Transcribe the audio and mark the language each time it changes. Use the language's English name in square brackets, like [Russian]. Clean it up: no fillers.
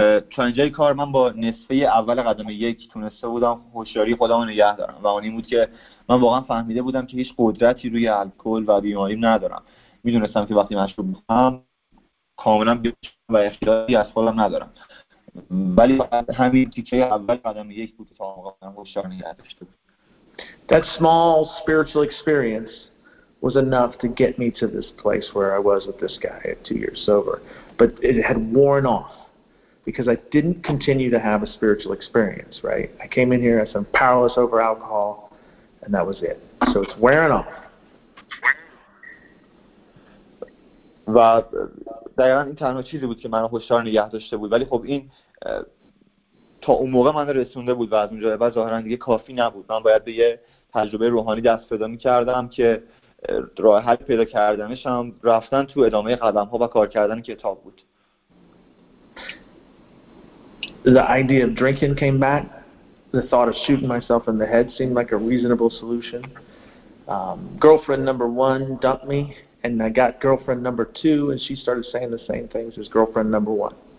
[Persian] چون جای کار من با نصفه اول قدم یک تونسته بودم هوشیاری خودمو نگه دارم و اون این بود که من واقعا فهمیده بودم که هیچ قدرتی روی الکل و بیماریم ندارم. میدونستم که وقتی مشروب بخورم کاملا بیشم و اختیاری از خودم ندارم. ولی همین تیکه اول قدم یک بود که تا موقع من هوشیار نگه داشته بود. [English] That small spiritual experience was enough to get me to this place where I was with this guy at 2 years sober. But it had worn off. Because I didn't continue to have a spiritual experience, right? I came in here as I'm powerless over alcohol, and that was it. So it's wearing off. [Persian] و دقیقا این تنها چیزی بود که منو هوشیار نگه داشته بود. ولی خب این تا اون موقع من رسونده بود و از اونجا بعد ظاهرا دیگه کافی نبود. من باید به یه تجربه روحانی دست پیدا می‌کردم که راه حل پیدا کردنش هم رفتن تو ادامه قدم‌ها و کار کردن کتاب بود. [English] The idea of drinking came back. The thought of shooting myself in the head seemed like a reasonable solution. Girlfriend number one dumped me, and I got girlfriend number two, and she started saying the same things as girlfriend number one.